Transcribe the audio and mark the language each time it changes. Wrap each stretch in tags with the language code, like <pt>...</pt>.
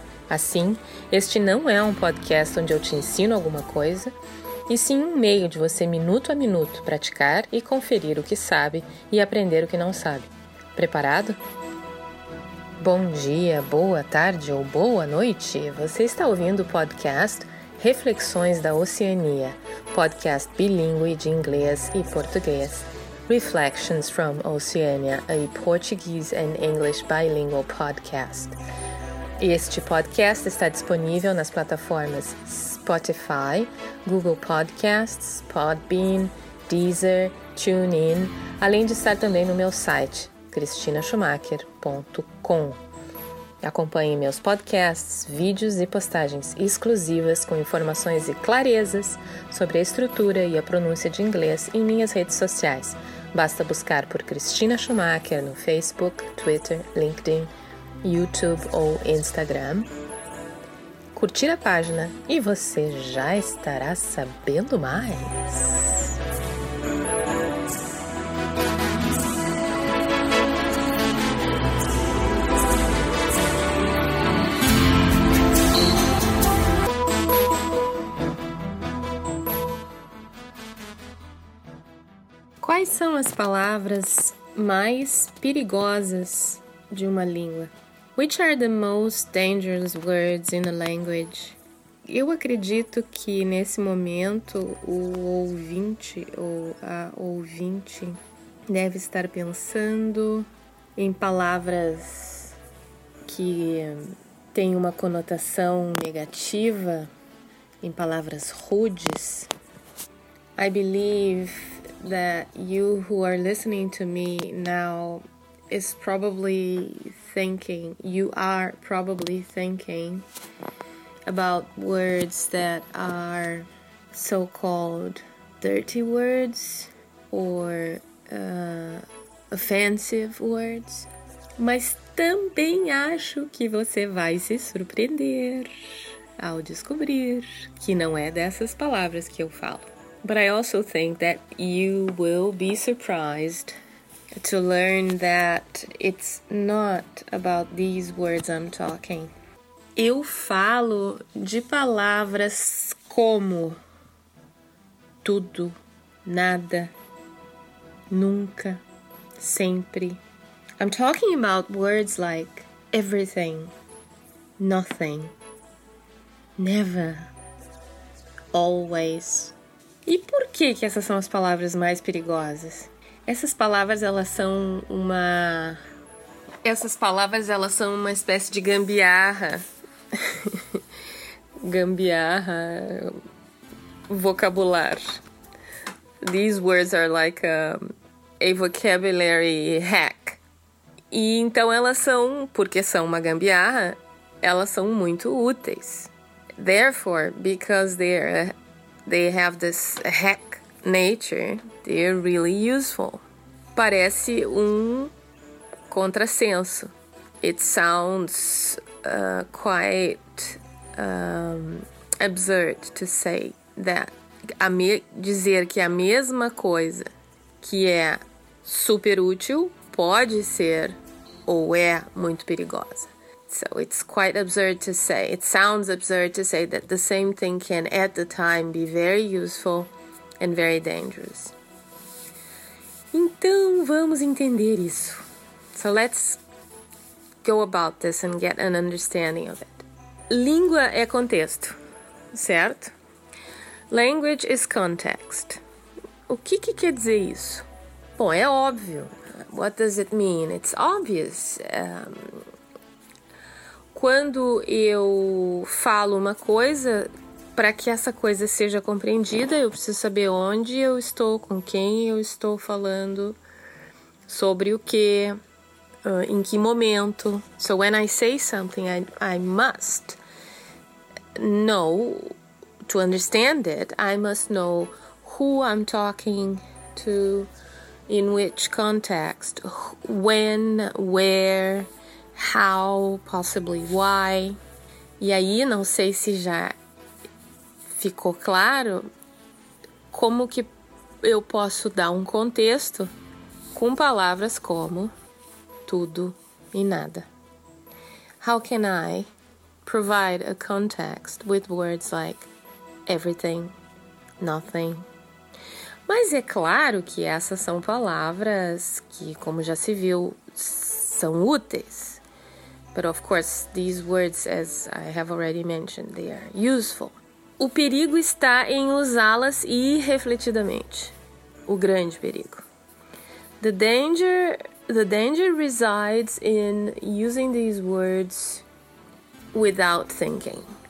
<pt>Assim, este não é um podcast onde eu te ensino alguma coisa, e sim um meio de você, minuto a minuto, praticar e conferir o que sabe e aprender o que não sabe. Preparado? Bom dia, boa tarde ou boa noite. Você está ouvindo o podcast Reflexões da Oceania, podcast bilíngue de inglês e português.</pt> <en>Reflections from Oceania, a Portuguese and English bilingual podcast.</en> <pt>Este podcast está disponível nas plataformas Spotify, Google Podcasts, Podbean, Deezer, TuneIn, além de estar também no meu site, cristinaschumacher.com. Acompanhe meus podcasts, vídeos e postagens exclusivas com informações e clarezas sobre a estrutura e a pronúncia de inglês em minhas redes sociais. Basta buscar por Cristina Schumacher no Facebook, Twitter, LinkedIn, YouTube ou Instagram. Curtir a página e você já estará sabendo mais. Quais são as palavras mais perigosas de uma língua?</pt> <en>Which are the most dangerous words in a language?</en> <pt>Eu acredito que nesse momento o ouvinte ou a ouvinte deve estar pensando em palavras que têm uma conotação negativa, em palavras rudes.</pt> <en>I believe that you who are listening to me now is probably thinking, you are probably thinking about words that are so-called dirty words or offensive words.</en> <pt>Mas também acho que você vai se surpreender ao descobrir que não é dessas palavras que eu falo.</pt> <en>But I also think that you will be surprised to learn that it's not about these words I'm talking.</en> <pt>Eu falo de palavras como tudo, nada, nunca, sempre.</pt> <en>I'm talking about words like everything, nothing, never, always.</en> <pt>E por que que essas são as palavras mais perigosas? Essas palavras, elas são uma... Essas palavras, elas são uma espécie de gambiarra. Gambiarra... Vocabular.</pt> <en>These words are like a vocabulary hack.</en> <pt>E então elas são, porque são uma gambiarra, elas são muito úteis.</pt> <en>Therefore, because they have this hack nature, they're really useful.</en> <pt>Parece um contrassenso.</pt> <en>It sounds quite absurd to say that.</en> <pt>Dizer que a mesma coisa que é super útil pode ser ou é muito perigosa.</pt> <en>So it's quite absurd to say. It sounds absurd to say that the same thing can at the time be very useful and very dangerous.</en> <pt>Então vamos entender isso.</pt> <en>So let's go about this and get an understanding of it.</en> <pt>Língua é contexto, certo?</pt> <en>Language is context.</en> <pt>O que que quer dizer isso? Bom, é óbvio.</pt> <en>What does it mean? It's obvious.</en> <pt>Quando eu falo uma coisa, para que essa coisa seja compreendida, eu preciso saber onde eu estou, com quem eu estou falando, sobre o que, em que momento.</pt> <en>So when I say something, I must know, to understand it, I must know who I'm talking to, in which context, when, where, how, possibly why.</en> <pt>E aí, não sei se já ficou claro como que eu posso dar um contexto com palavras como tudo e nada.</pt> <en>How can I provide a context with words like everything, nothing?</en> <pt>Mas é claro que essas são palavras que, como já se viu, são úteis.</pt> <en>But of course, these words, as I have already mentioned, they are useful.</en> <pt>O perigo está em usá-las irrefletidamente. O grande perigo.</pt> <en>The danger resides in using these words without thinking.</en>